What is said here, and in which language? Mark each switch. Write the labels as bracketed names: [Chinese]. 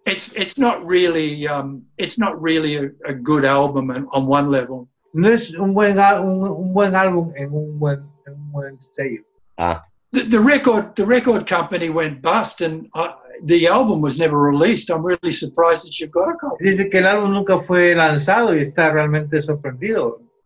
[English] It's not really a good album on one level. [Spanish] No es un buen álbum en un buen sello. Ah. [English] The record company went bust, and the album was never released. I'm really surprised that you've got a copy. [Spanish] Dice que el álbum nunca fue lanzado y está realmente sorprendido.